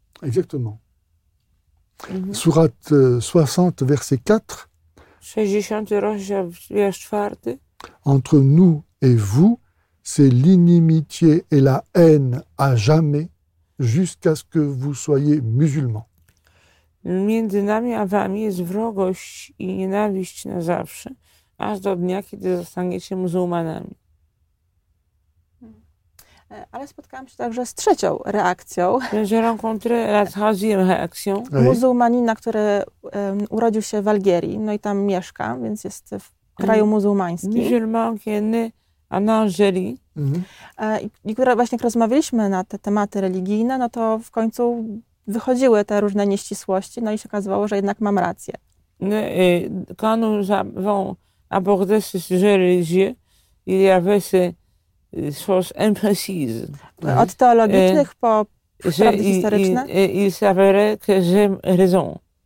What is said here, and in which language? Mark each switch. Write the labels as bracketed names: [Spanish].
[French] Exactement. Sourate 60 verset 4. 60 verset 4. Entre nous et vous, c'est l'inimitié et la haine à jamais. Jusqu'à ce que vous soyez musulman. [Polish] Między nami a wami jest wrogość i nienawiść na zawsze, aż do dnia, kiedy zostaniecie muzułmanami. Ale spotkałam się także z trzecią reakcją. [French] J'ai rencontré la troisième réaction. [Polish] Muzułmanina, który urodził się w Algierii, no i tam mieszka, więc jest w kraju muzułmańskim. [French] Musulman, qui est né en Algérie. [Polish] I które właśnie jak rozmawialiśmy na te tematy religijne, no to w końcu wychodziły te różne nieścisłości, no i się okazywało, że jednak mam rację. [French] Quand nous avons abordé ce sujet religieux, il y avait ces choses imprécises. [Polish] Od teologicznych po prawdy historyczne. [French] Il s'avérait que j'ai raison.